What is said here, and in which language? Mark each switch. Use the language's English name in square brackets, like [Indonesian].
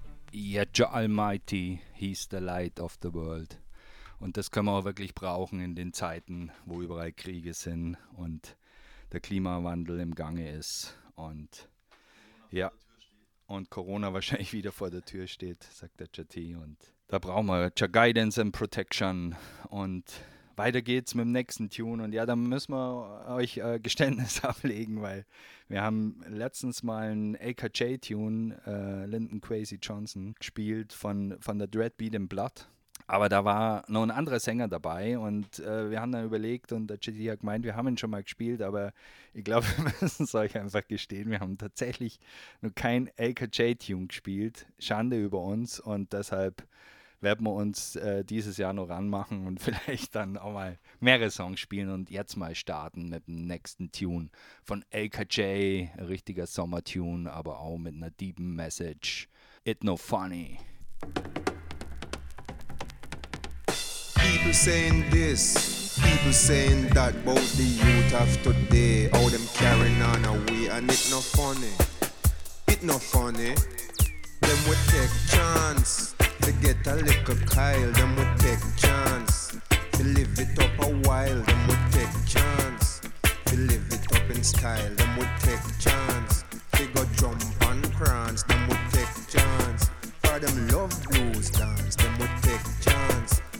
[English] Yeah, Jah Almighty, he's the light of the world. [German] Und das können wir auch wirklich brauchen in den Zeiten, wo überall Kriege sind und der Klimawandel im Gange ist. Und Corona, ja, und Corona wahrscheinlich wieder vor der Tür steht, sagt der Jati. Und da brauchen wir [English] Jah Guidance and Protection. [German] Und weiter geht's mit dem nächsten Tune. Und ja, da müssen wir euch Geständnis ablegen, weil wir haben letztens mal einen AKJ-Tune, Lyndon Kwesi Johnson, gespielt von der Dreadbeat in Blood. Aber da war noch ein anderer Sänger dabei und wir haben dann überlegt und der Chitty hat gemeint, wir haben ihn schon mal gespielt, aber ich glaube, wir müssen es euch einfach gestehen, wir haben tatsächlich noch kein AKJ-Tune gespielt. Schande über uns und deshalb werden wir uns dieses Jahr noch ranmachen und vielleicht dann auch mal mehrere Songs spielen und jetzt mal starten mit dem nächsten Tune von AKJ, richtiger Sommertune, aber auch mit einer deepen Message. [English] It no funny. People saying this, people saying that about the youth of today, how them carrying on away, and it no funny, it no funny. Them would take chance to get a little Kyle, them would take chance to live it up a while, them would take chance to live it up in style, them would take chance to go jump on crowns, them would take chance for them love blues dance, them would take chance.